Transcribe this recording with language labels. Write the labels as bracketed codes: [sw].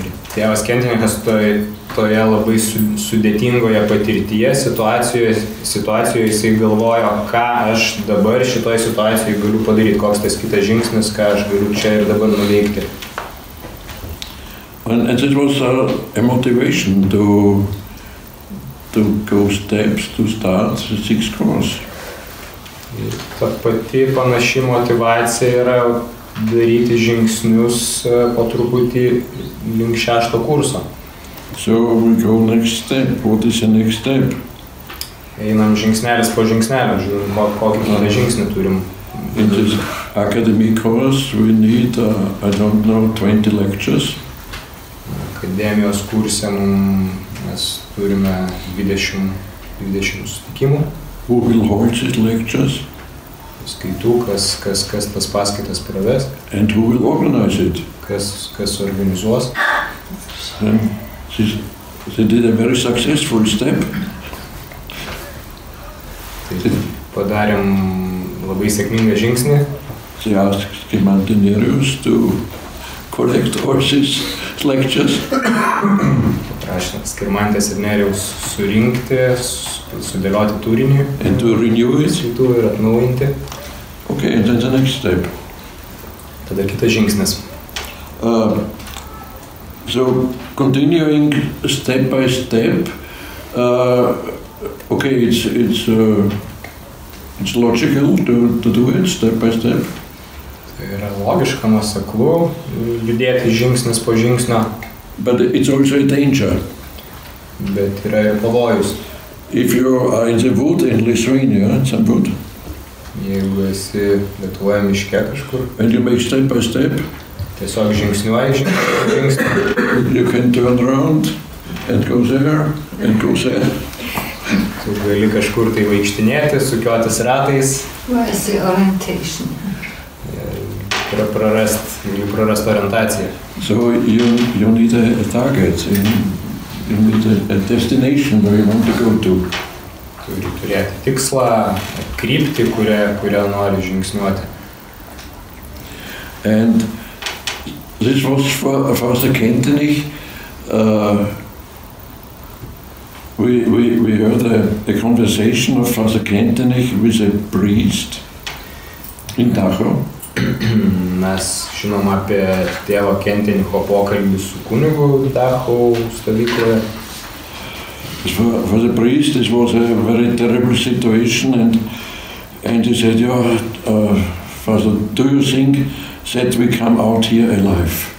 [lt] Tėvas Kentenichas toje labai sudėtingoje patirtyje situacijoje jisai galvojo, ką aš dabar šitoje situacijoje galiu padaryti, koks tas kitas žingsnis, ką aš galiu čia ir dabar nuveikti. [en] And it was a motivation to go steps to start the sixth course. [lt] Ta pati panaši motivacija yra daryti žingsnius po truputį link šešto kurso. [en] So we go next step. What is the next step? [lt] Einam žingsnelis po žingsnelio, žiūrim, kokį kitą žingsnį turim. [en] In this academy course we need, I don't know, 20 lectures. [lt] Akademijos kurse mes turime 20 susitikimų. [en] Who will hold these lectures? [lt] Skaitų, kas tas paskaitas praves. [en] And who will organize it? [lt] Kas organizuos. [en] They did a very successful step. [lt] Padarėm labai sėkmingą žingsnį. [en] They asked the mountaineers to collect all these lectures. [lt] Paprašė Skirmantės ir Nerijaus surinkti, sudėlioti turinį. [en] And to renew it. [lt] Skaitų ir atnaujinti. [en] Okay, and then the next step. [lt] Tada kitas žingsnis. [en] So, continuing step by step, okay, it's logical to do it step by step. [lt] Tai yra logiška, nuoseklu, judėti žingsnis po žingsnio. [en] But it's also a danger. [lt] Bet yra ir pavojus. [en] If you are in the wood in Lithuania, some wood. [lt] Jeigu esi Lietuvoje miške kažkur. [en] And you make step by step. [lt] Tiesiog žingsniuoji žingsnį. [en] You can turn around and go there and go there. [lt] Tu gali kažkur tai vaikštinėti, sukiotis ratais. [en] Where is the orientation? [lt] Prarast orientaciją. [en] So you need a target. You need a destination where you want to go to. [lt] Turi turėti tikslą, kryptį, kurią nori žingsniuoti. [en] And this was for Father Kentenich. We heard a conversation of Father Kentenich with a priest in Dachau. [lt] Mes žinom apie tėvo Kentenicho pokalbį su kunigu Dachau stovykloje. [en] For the priest, this was a very terrible situation, and he said, "Yeah, Father, do you think that we come out here alive?"